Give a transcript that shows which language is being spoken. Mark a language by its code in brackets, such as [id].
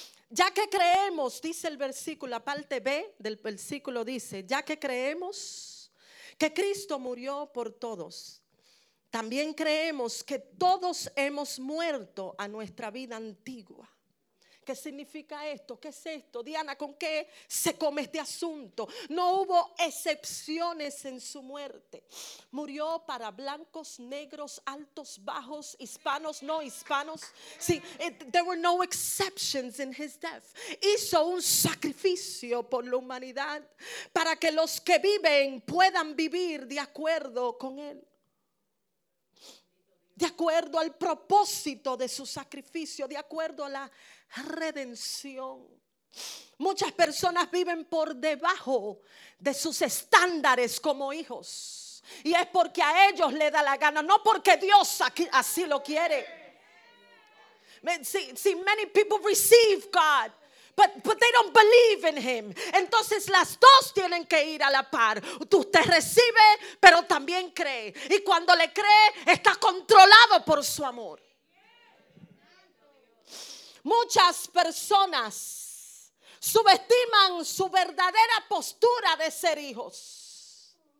[es] Ya que creemos, dice el versículo, la parte B del versículo dice, ya que creemos que Cristo murió por todos, también creemos que todos hemos muerto a nuestra vida antigua. ¿Qué significa esto? ¿Qué es esto? Diana, ¿con qué se come este asunto? No hubo excepciones en su muerte. Murió para blancos, negros, altos, bajos, hispanos, no hispanos. [en] Sí, there were no exceptions in his death. [es] Hizo un sacrificio por la humanidad para que los que viven puedan vivir de acuerdo con él. De acuerdo al propósito de su sacrificio, de acuerdo a la redención. Muchas personas viven por debajo de sus estándares como hijos. Y es porque a ellos le da la gana, no porque Dios así lo quiere. [en] See, many people receive God, but they don't believe in Him. [es] Entonces las dos tienen que ir a la par. Tú te recibes, pero también cree. Y cuando le cree, está controlado por su amor. Muchas personas subestiman su verdadera postura de ser hijos.